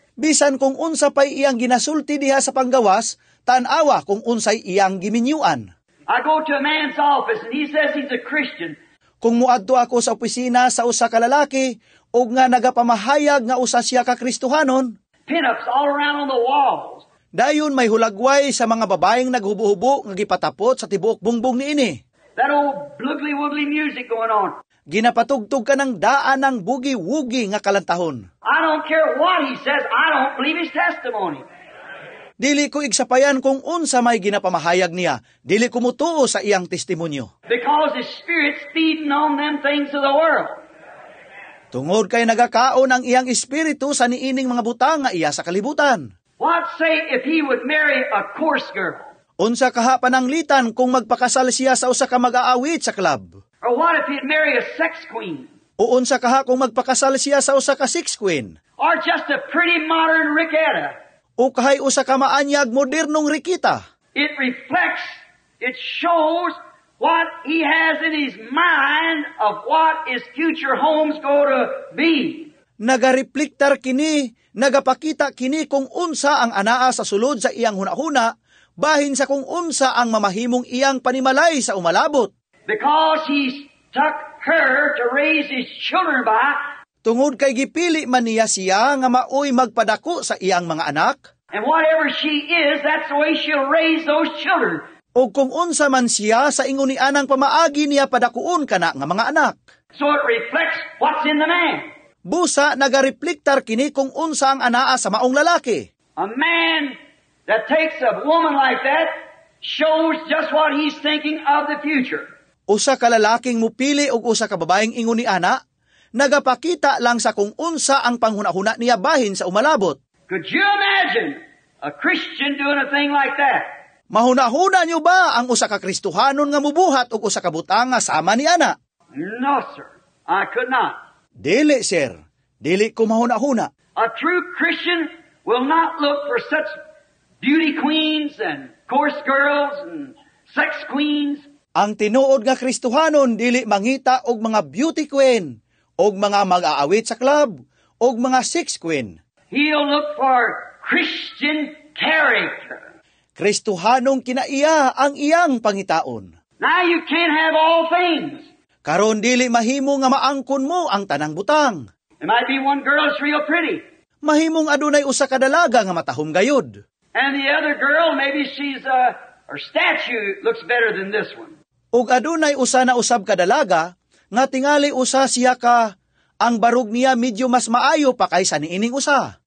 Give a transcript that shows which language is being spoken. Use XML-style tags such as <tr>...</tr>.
<ceb>bisan kung unsa pay iyang ginasulti diha sa panggawas, tan-awa kung unsay iyang giminyuan.</ceb> <en>I go to a man's office and he says he's a Christian.</en> <ceb>Kung muadto ako sa opisina sa usa ka lalaki ug nga nagapamahayag nga usa siya ka Kristohanon.</ceb> <en>Pinups all around on the walls.</en> <ceb>Dayon may hulagway sa mga babaeng naghubo-hubo nga gipatapot sa tibuok bungbong niini.</ceb> <en>That old bluggly wuggly music going on.</en> <ceb>Ginapatugtog ka ng daan ng boogie-woogie nga kalantahon.</ceb> <en>I don't care what he says, I don't believe his testimony.</en> <ceb>Dili ko igsapayan kung unsa may ginapamahayag niya. Dili ko mutuo sa iyang testimonyo.</ceb> <en>Because his spirit's feeding on them things of the world.</en> <ceb>Tungod kay nagakaon ang iyang espiritu sa niining mga butang nga iya sa kalibutan.</ceb> <en>What say if he would marry a coarse girl?</en> <ceb>Unsa kahapan ang litan kung magpakasal siya sa usa ka mag-aawit sa club?</ceb> <en>Or what if he'd marry a sex queen?</en> <ceb>O unsa kaha kung magpakasal siya sa usa ka sex queen?</ceb> <en>Or just a pretty modern Riqueta?</en> <ceb>O kahay usa ka maanyag modernong Riqueta?</ceb> <en>It reflects, it shows what he has in his mind of what his future home's going to be.</en> <ceb>Nagareflektar kini, nagapakita kini kung unsa ang anaa sa sulod sa iyang hunahuna, bahin sa kung unsa ang mamahimong iyang panimalay sa umalabot.</ceb> <en>Because he's took her to raise his children by.</en> <ceb>Tungod kay gipili man niya siya nga maoy magpadako sa iyang mga anak.</ceb> <en>And whatever she is, that's the way she'll raise those children.</en> <ceb>O kung unsa man siya, sa ingunian ang pamaagi niya padakuon kana nga mga anak.</ceb> <en>So it reflects what's in the man.</en> <ceb>Busa nagareflektar kini kung unsa ang anaa sa maong lalaki.</ceb> <en>A man that takes a woman like that shows just what he's thinking of the future.</en> <ceb>Usa ka lalaking mupili og usa ka babaeng inguniana, nagapakita lang sa kung unsa ang panghunahuna niya bahin sa umalabot.</ceb> <en>Could you imagine a Christian doing a thing like that?</en> <ceb>Mahunahuna niyo ba ang usa ka Kristohanon nga mubuhat og usa ka butang nga sama ni ana?</ceb> <en>No, sir. I could not.</en> <ceb>Dili, sir. Dili ko mahunahuna.</ceb> <en>A true Christian will not look for such beauty queens and coarse girls and sex queens.</en> <ceb>Ang tinuod nga Kristohanon dili mangita og mga beauty queen og mga mag-aawit sa club og mga sex queen.</ceb> <en>He'll look for Christian character.</en> <ceb>Kristohanong kinaiya ang iyang pangitaon.</ceb> <en>Now you can't have all things.</en> <ceb>Karon dili mahimo nga maangkon mo ang tanang butang.</ceb> <en>It might be one girl is real pretty.</en> <ceb>Mahimong adunay usa ka dalaga nga matahom gayud.</ceb> <en>And the other girl, maybe she's her statue looks better than this one.</en> <ceb>Ug adunay usa na usab kadalaga nga tingali usa siya ka ang barug niya medyo mas maayo pa kaysa niining usa.</ceb>